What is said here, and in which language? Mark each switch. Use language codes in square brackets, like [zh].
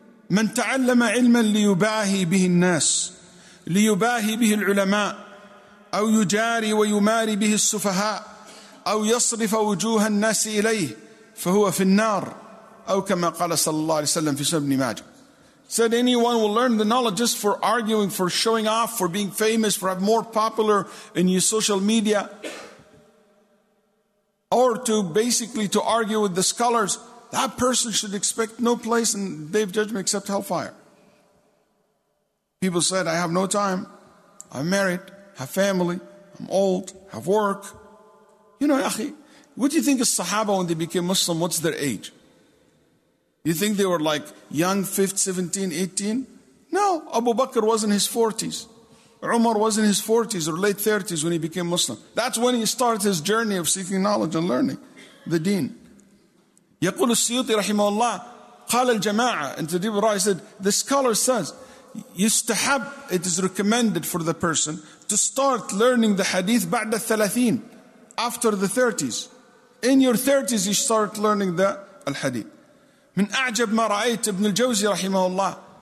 [ar] من تعلم علما ليباهي به الناس ليباهي به العلماء أو يجاري ويماري به السفهاء أو يصرف وجوه الناس إليه فهو في النار أو كما قال صلى الله عليه وسلم في سنن ابن ماجه. [en] Said anyone will learn the knowledge just for arguing, for showing off, for being famous, for having more popular in your social media, or to basically to argue with the scholars, that person should expect no place in Day of Judgment except hellfire. People said, I have no time. I'm married, have family, I'm old, have work. You know, akhi, what do you think of Sahaba when they became Muslim? What's their age? You think they were like young, 15, 17, 18? No, Abu Bakr was in his 40s. Umar was in his 40s or late 30s when he became Muslim. That's when he started his journey of seeking knowledge and learning the deen. [ar] يقول السيوطي رحمه الله قال الجماعة [en] and the deep rise said, the scholar says, [ar] يستحب, [en] it is recommended for the person to start learning the hadith [ar] بعد الثلاثين, [en] after the 30s. In your 30s, you start learning the hadith. [ar] من أعجب ما رأيت ابن الجوزي رحمه الله.